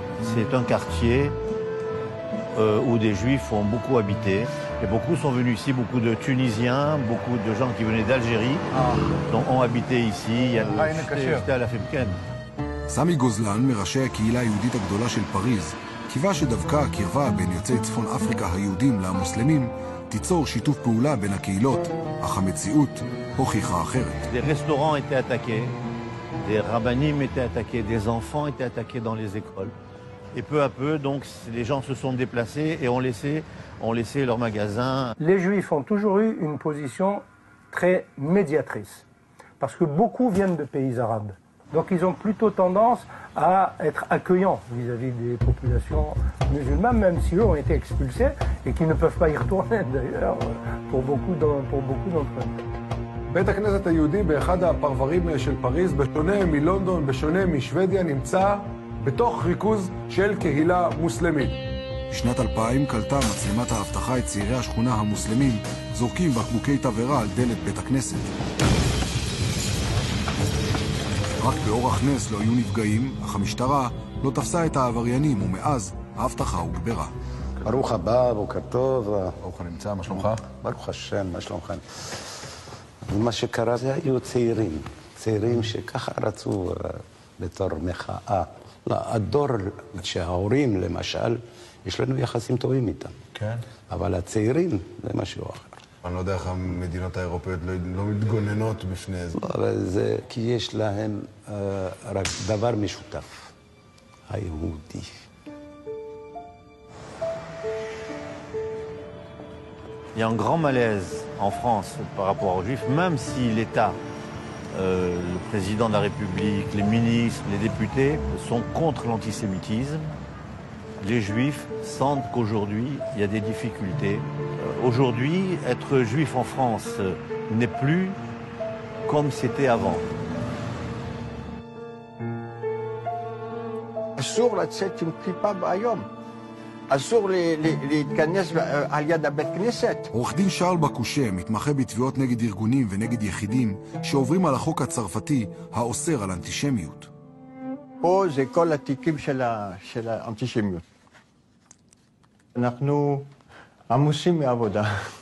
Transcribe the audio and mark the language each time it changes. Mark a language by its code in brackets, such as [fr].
[fr] C'est un quartier où des Juifs ont beaucoup habité. Et beaucoup sont venus ici, beaucoup de Tunisiens, beaucoup de gens qui venaient d'Algérie, donc ont habité ici. J'étais à la Femkène. [he] Sami Gozlan, מראשי הקהילה היהודית הגדולה של פריז, קיווה שדווקא הקרבה בין יוצאי צפון אפריקה היהודים למוסלמים תיצור שיתוף פעולה בין הקהילות, אך המציאות הוכיחה אחרת. [fr] Les restaurants étaient attaqués. Des rabbinim étaient attaqués, des enfants étaient attaqués dans les écoles. Et peu à peu, donc, les gens se sont déplacés et ont laissé leurs magasins. Les Juifs ont toujours eu une position très médiatrice, parce que beaucoup viennent de pays arabes. Donc ils ont plutôt tendance à être accueillants vis-à-vis des populations musulmanes, même si eux ont été expulsés et qu'ils ne peuvent pas y retourner, d'ailleurs, pour beaucoup d'entre eux. [he] בית הכנסת היהודי באחד הפרברים של פריז, בשונה מלונדון, בשונה משוודיה, נמצא בתוך ריכוז של קהילה מוסלמית. בשנת 2000 קלטה מצלמת האבטחה את צעירי השכונה המוסלמים, זורקים בקבוקי תבערה על דלת בית הכנסת. רק באורח נס לא היו נפגעים, אך המשטרה לא תפסה את העבריינים, ומאז האבטחה הוגברה. ברוך הבא, בוקר טוב. ברוך הנמצא, מה שלומך? ברוך השם, מה שלומך? ומה שקרה זה היו צעירים, צעירים שככה רצו בתור מחאה. הדור שההורים, למשל, יש לנו יחסים טובים איתם. כן. אבל הצעירים זה משהו אחר. אני לא יודע איך המדינות האירופאיות לא מתגוננות בפני זה. אבל זה כי יש להם רק דבר משותף, היהודי. [fr] Il y a un grand malaise en France par rapport aux Juifs, même si l'État, le président de la République, les ministres, les députés sont contre l'antisémitisme. Les Juifs sentent qu'aujourd'hui, il y a des difficultés. Aujourd'hui, être juif en France n'est plus comme c'était avant. Sur la tête, tu ne plie pas Bayom. [he] אסור להתכנס על יד הבית כנסת. עורך דין שרל בקושה מתמחה בתביעות נגד ארגונים ונגד יחידים שעוברים על החוק הצרפתי האוסר על אנטישמיות. פה זה כל התיקים של האנטישמיות. אנחנו עמוסים מעבודה.